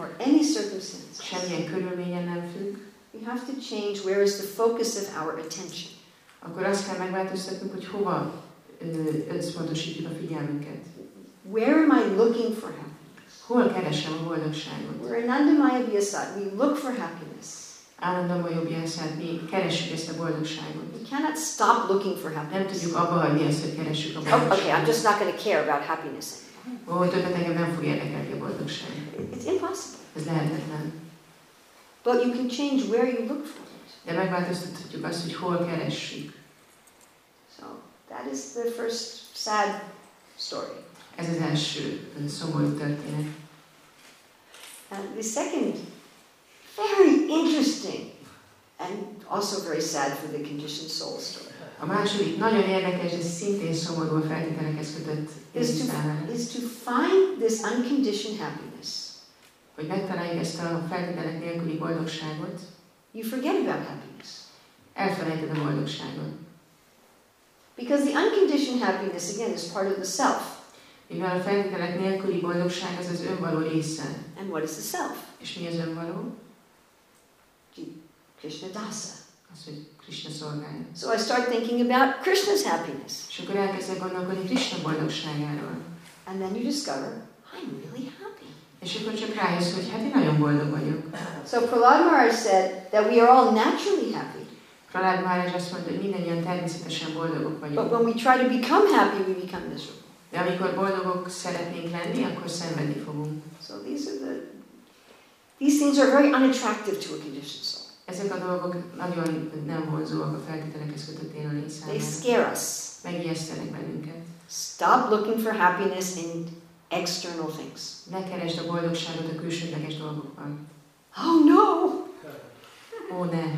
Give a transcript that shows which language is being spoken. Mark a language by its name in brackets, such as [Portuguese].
[English] or any circumstance, [Hungarian] semmilyen körülményen nem függ, [English] we have to change where is the focus of our attention. [Hungarian] Akkor azt kell megváltoztatnunk, hogy hova összpontosítjuk a figyelmünket. [English] Where am I looking for happiness? [Hungarian] Hol keresem a boldogságot? [English] We're in Anandamaya Vyasat. We look for happiness. [Hungarian] Anandamaya Vyasat. Mi keresjük ezt a boldogságot. [English] We cannot stop looking for happiness. [Hungarian] Nem tudjuk abba hagyni ezt, hogy keresjük a boldogságot. [English] Okay, I'm just not going to care about happiness. [Hungarian] Ó, többet engem nem fog érdekelni a boldogság. [English] It's impossible. [Hungarian] Ez lehetetlen. [English] But you can change where you look for. [Hungarian] De megváltoztatjuk azt, hogy hol keressük. [English] So, that is the first sad story. [Hungarian] Ez az első szomorú történet. [English] And the second, very interesting, and also very sad for the conditioned soul story. [Hungarian] A második, nagyon érdekes, és szintén szomorú a feltételekhez kötött [English] is to find this unconditioned happiness. [Hungarian] Hogy megtaláljuk ezt a feltételek nélküli boldogságot. [English] You forget about happiness. [Hungarian] Elfelejted a boldogságot. [English] Because the unconditioned happiness again is part of the self. [Hungarian] Mivel a feltételek nélküli boldogság az az önvaló része. [English] And what is the self? [Hungarian] És mi az önvaló? [Sanskrit] Krishna dasa. [Hungarian] az, hogy Krishna szolgálja. [English] So I start thinking about Krishna's happiness. [Hungarian] És akkor elkezdek gondolkodni Krishna boldogságáról. [English] And then you discover, I'm really happy. [Hungarian] És akkor csak rájössz, hogy hát én nagyon boldog vagyok. [English] So Prahlad Maharaj said that we are all naturally happy. [Hungarian] Prahlad Maharaj azt mondta, hogy mindannyian természetesen boldogok vagyunk. [English] But when we try to become happy, we become miserable. [Hungarian] De amikor boldogok szeretnénk lenni, akkor szenvedni fogunk. [English] So these things are very unattractive to a conditioned soul. [Hungarian] Ezek a dolgok nagyon nem vonzóak a feltételekhez kötött élő lény számára. [English] They scare us. [Hungarian] Megijesztenek bennünket. [English] Stop looking for happiness in external things. [Hungarian] Ne keresd a boldogságot a külsődleges dolgokban. [English] Oh no! [Hungarian] Oh, ne.